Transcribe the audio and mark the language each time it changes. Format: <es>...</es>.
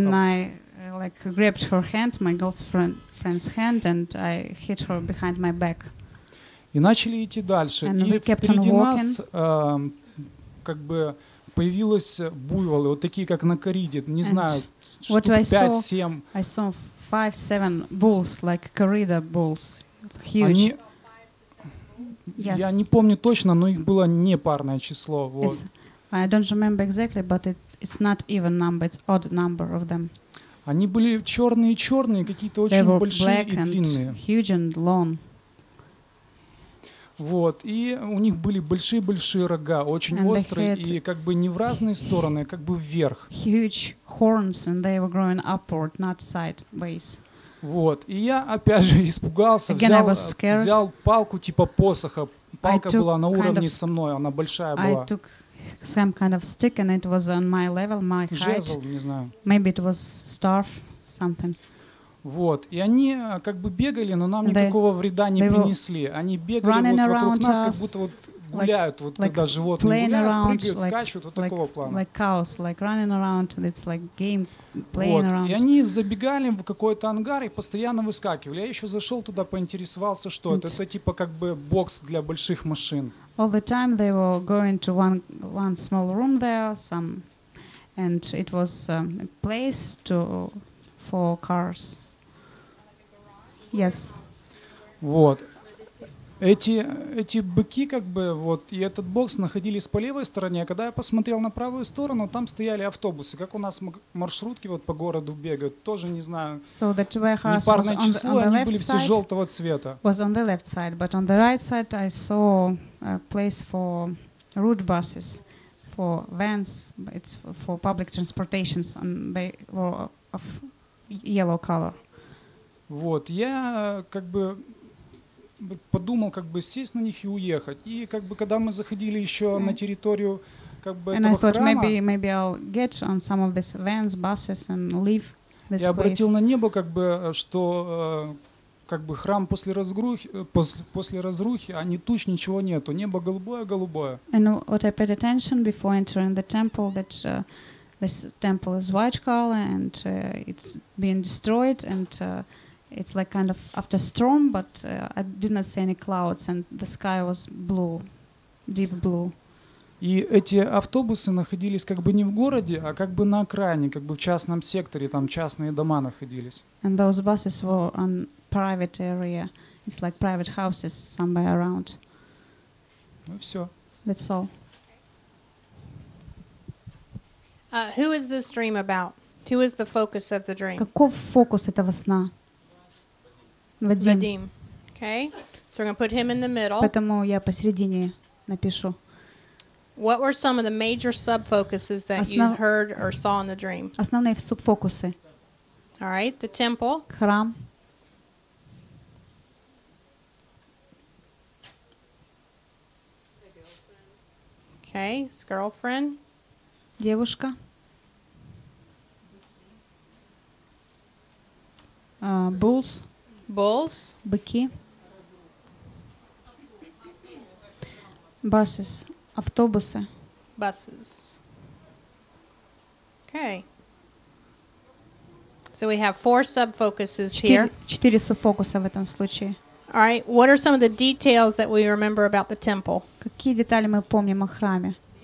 <en>And I like grabbed her hand, my girlfriend's hand, and I hit her behind my back.</en> <ru>И начали идти дальше.</ru> <en>And</en> <ru>и впереди нас как бы появились буйволы, вот такие как на кориде, не знаю, штук 5-7.</ru> <en>I saw 5-7 bulls, like corrida bulls, huge.</en> <ru>Они</ru> <en>Yes.</en> <ru>Я не помню точно, но их было не парное число. Вот.</ru> <en>I don't remember exactly, but it's not even number, it's odd number of them.</en> <ru>Они были черные-черные, какие-то очень большие и длинные.</ru> <en>Huge and long.</en> <ru>Вот, и у них были большие-большие рога, очень острые, и как бы не в разные стороны, а как бы вверх.</ru> <en>Huge horns, and they were growing upward, not sideways.</en> <ru>Вот, и я опять же испугался, взял палку типа посоха. Палка была на уровне со мной, она большая была.</ru> <en>I took some kind of stick and it was on my level, my height.</en> <ru>Жезл, не знаю.</ru> <en>Maybe it was staff, something.</en> <ru>Вот, и они как бы бегали, но нам никакого вреда не принесли. Они бегали вот вокруг нас, как будто вот гуляют, вот когда животные гуляют, прыгают, скачут, вот такого плана.</ru> <en>Like cows, like running around, and it's like game.</en> <ru>Вот. И они забегали в какой-то ангар и постоянно выскакивали. Я еще зашел туда, поинтересовался, что это. Это типа как бы бокс для больших машин.</ru> <en>All the time they were going to one small room there, and it was a place for cars. Yes.</en> <ru>Вот. Эти быки как бы вот и этот бокс находились по левой стороне, а когда я посмотрел на правую сторону, там стояли автобусы, как у нас маршрутки вот по городу бегают, тоже не знаю.</ru> <en>So the warehouse</en> <ru>непарное</ru> <en>was</en> <ru>число,</ru> <en>on the</en> <ru>они были все желтого цвета.</ru> <en>Was on the left side, but on the right side I saw a place for route buses, for for vans, it's for public transportations and they were of yellow color.</en> <ru>Вот, я как бы подумал, как бы сесть на них и уехать. И как бы когда мы заходили ещё на территорию как бы этого храма,</ru> <en>I thought</en> <ru>храма,</ru> <en>maybe I'll get on some of these vans, buses and leave this place.</en> <ru>Я обратил на небо как бы, что как бы храм после разрухи, после разрухи, а ни туч, ничего нету. Небо голубое-голубое.</ru> <en>And what I paid attention before entering the temple, that this temple is white color and it's been destroyed and it's like kind of after storm, but I did not see any clouds and the sky was blue, deep blue.</en> <ru>И эти автобусы находились как бы не в городе, а как бы на окраине, как бы в частном секторе, там частные дома находились.</ru> <en>And those buses were on private area. It's like private houses somewhere around.</en> <ru>Ну все.</ru> <en>That's all. Who is this dream about? Who is the focus of the dream?</en> <ru>Каков фокус этого сна?</ru> <en>Вадим. Okay. So we're going to put him in the middle.</en> <ru>Поэтому я посередине напишу.</ru> <en>What were some of the major subfocuses that you heard or saw in the dream?</en> <ru>Основные субфокусы.</ru> <en>All right, the temple.</en> <ru>Храм.</ru> <en>Okay, his girlfriend.</en> <ru>Девушка.</ru> <en>Bulls. Bulls.</en> <ru>Быки.</ru> <en>Buses.</en> <ru>Автобусы.</ru> <en>Buses. Okay. So we have four subfocuses here.</en> <ru>Четыре субфокуса в этом случае.</ru> <en>All right. What are some of the details that we remember about the temple?</en> <ru>Какие детали мы помним о храме?</ru>